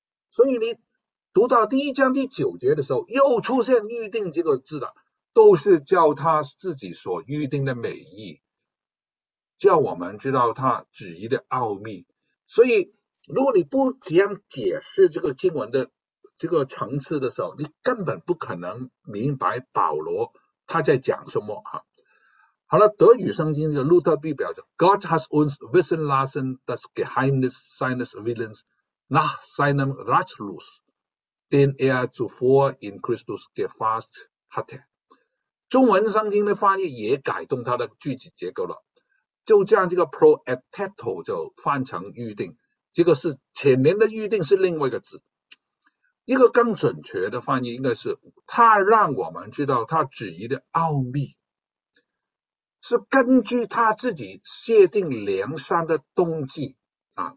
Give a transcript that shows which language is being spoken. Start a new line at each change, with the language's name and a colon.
Chinese: 所以你读到第一章第九节的时候，又出现预定这个字的，都是叫他自己所预定的美意，叫我们知道他旨意的奥秘。所以如果你不这样解释这个经文的这个层次的时候，你根本不可能明白保罗他在讲什么啊。好了，德语圣经的路特必表就
German: God has uns wissen lassen das Geheimnis seines Willens nach seinem Ratschluss, den zuvor in Christus gefasst hatte。
Chinese: 中文圣经的翻译也改动它的句子结构了，就将这个 proetato 就翻成预定，这个是前面的预定是另外一个字。一个更准确的翻译应该是，他让我们知道他旨意的奥秘，是根据他自己设定良善的动机啊。